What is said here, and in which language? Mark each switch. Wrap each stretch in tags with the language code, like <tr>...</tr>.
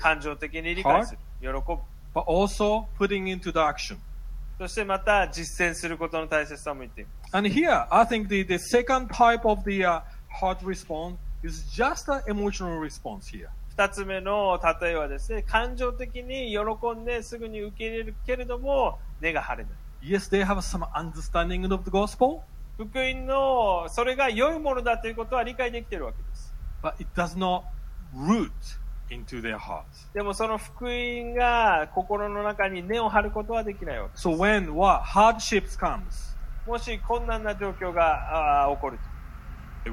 <ja>感情的に理解する。</ja> <en>Heart,</en> <ja>喜ぶ。</ja> <en>But also putting into the action.</en> <ja>そしてまた実践することの大切さも言っています。</ja> <en>And here, I think the second type of the heart response is just an emotional response here.</en> <ja>二つ目の例えはですね、感情的に喜んですぐに受け入れるけれども、根が張れない。</ja> <en>Yes, they have some understanding of the gospel.</en> <ja>福音のそれが良いものだということは理解できているわけです。</ja> <en>But it does not root. Into their hearts.</en> <ja>でもその福音が心の中に根を張ることはできないわけです。</ja> <en>So when what hardships comes,</en> <ja>もし困難な状況が起こると、</ja>